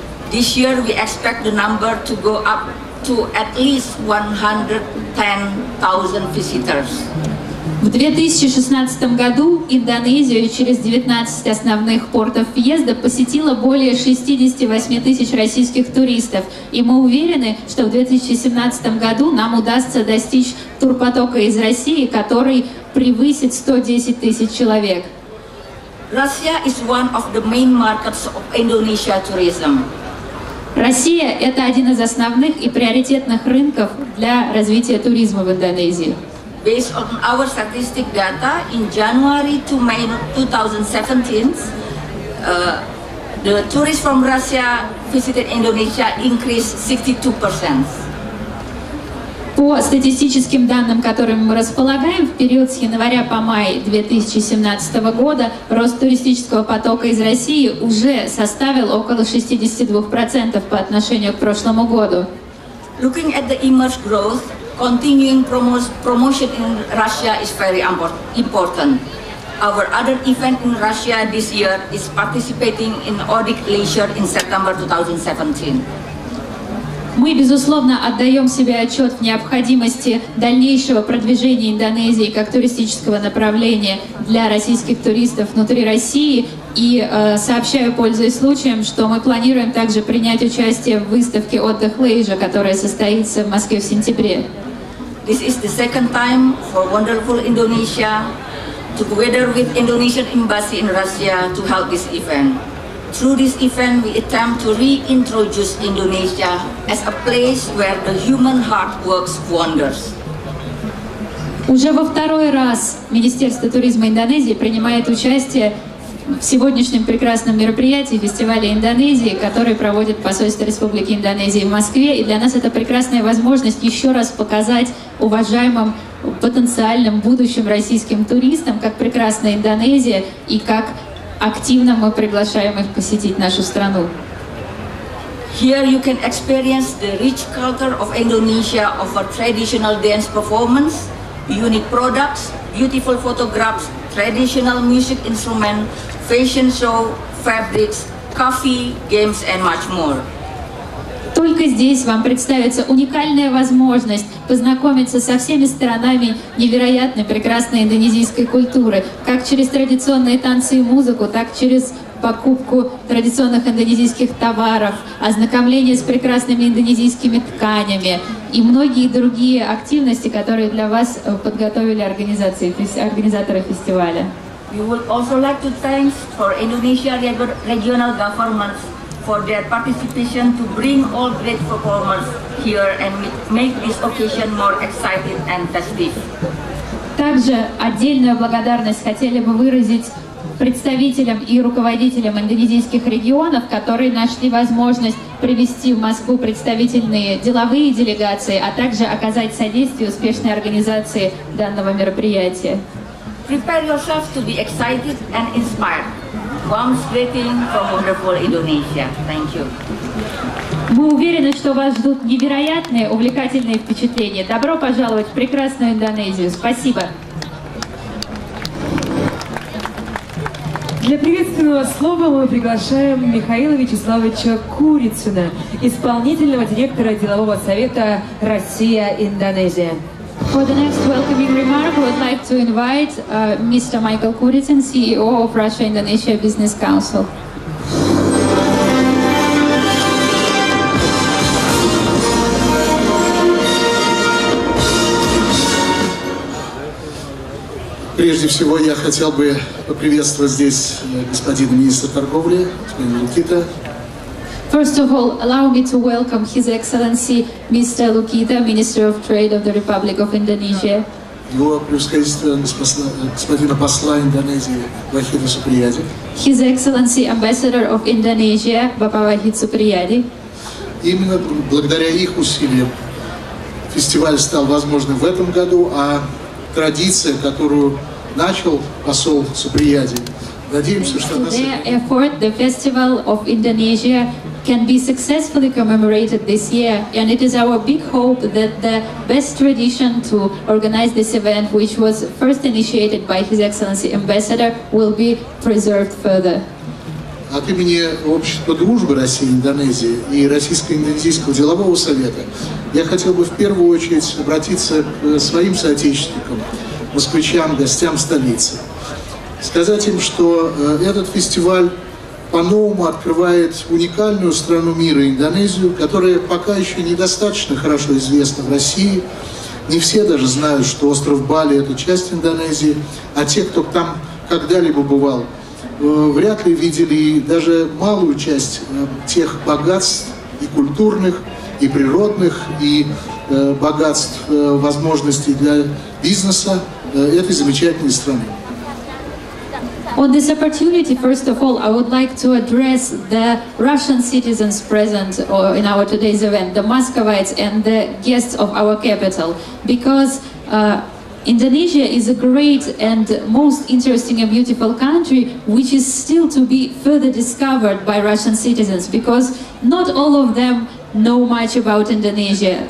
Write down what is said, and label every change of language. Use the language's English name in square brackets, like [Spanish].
[English] This year we expect the number to go up to at least 110,000 visitors. [Russian] В 2016 году Индонезию через 19 основных портов въезда посетило более 68 тысяч российских туристов. И мы уверены, что в 2017 году нам удастся достичь турпотока из России, который превысит 110 тысяч человек. [English] Russia is one of the main markets of Indonesia tourism. [Russian] Россия – это один из основных и приоритетных рынков для развития туризма в Индонезии. [English] Based on our statistic data, in January to May 2017, the tourists from Russia visited Indonesia increased 62%. [Russian] По статистическим данным, которыми мы располагаем, в период с января по май 2017 года рост туристического потока из России уже составил около 62% по отношению к прошлому году. [English] Looking at the immense growth, continuing promotion in Russia is very important. Our other event in Russia this year is participating in Arctic Leisure in September 2017. [Russian] Мы, безусловно, отдаем себе отчет в необходимости дальнейшего продвижения Индонезии как туристического направления для российских туристов внутри России. И сообщаю, пользуясь случаем, что мы планируем также принять участие в выставке «Отдых Лейжа», которая состоится в Москве в сентябре. [English] This is the second time for wonderful Indonesia, together with Indonesian embassy in Russia, to help this event. Through this event, we attempt to reintroduce Indonesia as a place where the human heart works wonders. [Russian] Уже во второй раз Министерство туризма Индонезии принимает участие в сегодняшнем прекрасном мероприятии фестиваля Индонезии, который проводит посольство Республики Индонезии в Москве. И для нас это прекрасная возможность еще раз показать уважаемым потенциальным будущим российским туристам, как прекрасна Индонезия и как активно мы приглашаем их посетить нашу страну. [English] Here you can experience the rich culture of Indonesia, of a traditional dance performance, unique products, beautiful photographs, traditional music instrument, fashion show, fabrics, coffee, games and much more. [Russian] Только здесь вам представится уникальная возможность познакомиться со всеми сторонами невероятной прекрасной индонезийской культуры, как через традиционные танцы и музыку, так через покупку традиционных индонезийских товаров, ознакомление с прекрасными индонезийскими тканями и многие другие активности, которые для вас подготовили организаторы фестиваля. [English] We would also like to thank for Indonesia regional governments for their participation to bring all great performers here and make this occasion more exciting and festive. [Russian] Также отдельную благодарность хотели бы выразить представителям и руководителям индонезийских регионов, которые нашли возможность привести в Москву представительные деловые делегации, а также оказать содействие успешной организации данного мероприятия. [English] Prepare yourself to be excited and inspired. Warm greetings from wonderful Indonesia. Thank you. [Russian] Мы уверены, что вас ждут невероятные, увлекательные впечатления. Добро пожаловать в прекрасную Индонезию. Спасибо. Для приветственного слова мы приглашаем Михаила Вячеславовича Курицына, исполнительного директора делового совета «Россия-Индонезия». [English] For the next welcoming remark, we'd like to invite Mr. Michael Kuritsin, CEO of Russia-Indonesia Business Council. [Russian] Прежде всего, я хотел бы поприветствовать здесь господина министра торговли, господина Лукита. [English] First of all, allow me to welcome His Excellency Mr. Lukita, Minister of Trade of the Republic of Indonesia. [Russian] Его превосходительство господина посла Индонезии Вахида Суприяди. [English] His Excellency Ambassador of Indonesia, Bapak Wahid Supriyadi. [Russian] Именно благодаря их усилиям фестиваль стал возможным в этом году, а традиция, которую начал посол Суприяди, надеемся, что она... [English] Their effort, the Festival of Indonesia can be successfully commemorated this year, and it is our big hope that the best tradition to organize this event, which was first initiated by His Excellency Ambassador, will be preserved further. [Russian] От имени Общества дружбы России и Индонезии и Российско-Индонезийского делового совета я хотел бы в первую очередь обратиться к своим соотечественникам, москвичам, гостям столицы, сказать им, что этот фестиваль по-новому открывает уникальную страну мира, Индонезию, которая пока еще недостаточно хорошо известна в России. Не все даже знают, что остров Бали – это часть Индонезии, а те, кто там когда-либо бывал, вряд ли видели даже малую часть тех богатств и культурных, и природных, и богатств, возможностей для бизнеса этой замечательной страны. [English] On this opportunity, first of all, I would like to address the Russian citizens present in our today's event, the Muscovites and the guests of our capital, because Indonesia is a great and most interesting and beautiful country, which is still to be further discovered by Russian citizens, because not all of them know much about Indonesia.